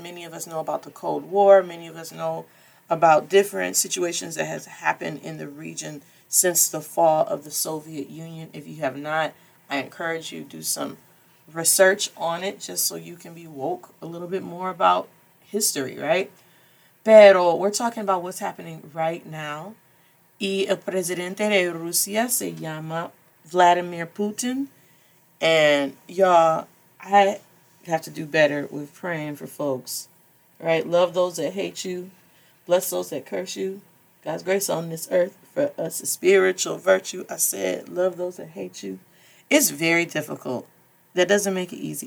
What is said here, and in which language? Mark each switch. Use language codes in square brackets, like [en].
[en] Many of us know about the Cold War. Many of us know about different situations that has happened in the region since the fall of the Soviet Union. If you have not, I encourage you to do some research on it just so you can be woke a little bit more about history, right? [es] Pero [en] we're talking about what's happening right now. [es] Y el presidente de Rusia se llama Vladimir Putin. [en] And y'all, I have to do better with praying for folks, right? Love those that hate you. Bless those that curse you. God's grace on this earth for us is spiritual virtue. I said, love those that hate you. It's very difficult. That doesn't make it easy.